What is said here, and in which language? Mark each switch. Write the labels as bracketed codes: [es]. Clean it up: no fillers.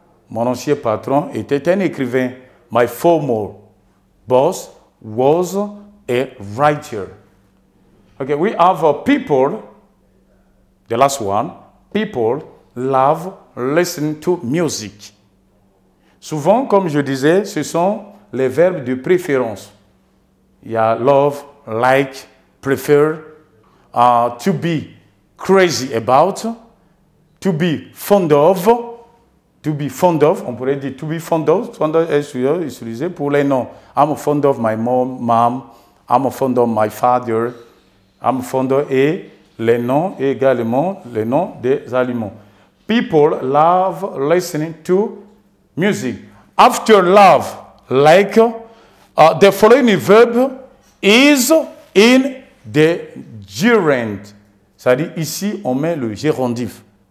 [fr] Mon ancien patron était un écrivain. [en] My former boss was a writer. Okay, we have people, the last one, people love listen to music. [fr] Souvent, comme je disais, ce sont les verbes de préférence. Il y a love, like, prefer, to be crazy about, to be fond of, to be fond of, on pourrait dire to be fond of est utilisé pour les noms. [en] I'm fond of my mom, I'm fond of my father, I'm fond of, [fr] et les noms, et également les noms des aliments. [en] People love listening to music. After love, like, the following verb is in the gerund. [fr] C'est-à-dire ici, on met le gérondif.